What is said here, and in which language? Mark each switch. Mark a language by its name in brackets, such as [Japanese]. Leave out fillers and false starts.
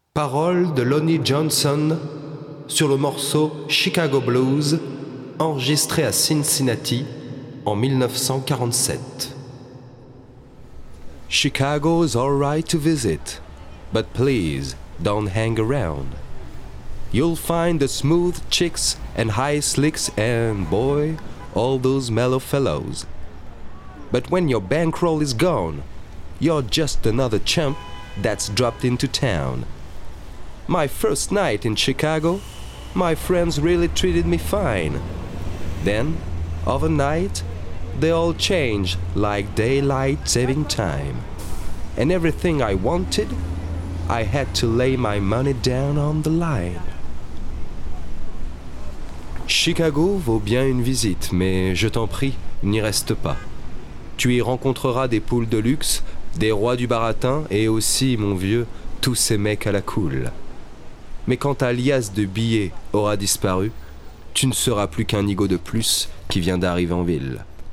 [French] Paroles de Lonnie Johnson sur le morceau Chicago Blues, enregistré à Cincinnati en 1947. [English] Chicago's all right to visit, but please don't hang around. You'll find the smooth chicks and high slicks and, boy, all those mellow fellows. But when your bankroll is gone, you're just another chump that's dropped into town. My first night in Chicago, my friends really treated me fine. Then, overnight, they all changed like daylight saving time. And everything I wanted, I had to lay my money down on the line. [French] Chicago vaut bien une visite, mais je t'en prie, n'y reste pas. Tu y rencontreras des poules de luxe, des rois du baratin et aussi, mon vieux, tous ces mecs à la cool. Mais quand ta liasse de billets aura disparu, tu ne seras plus qu'un nigaud de plus qui vient d'arriver en ville.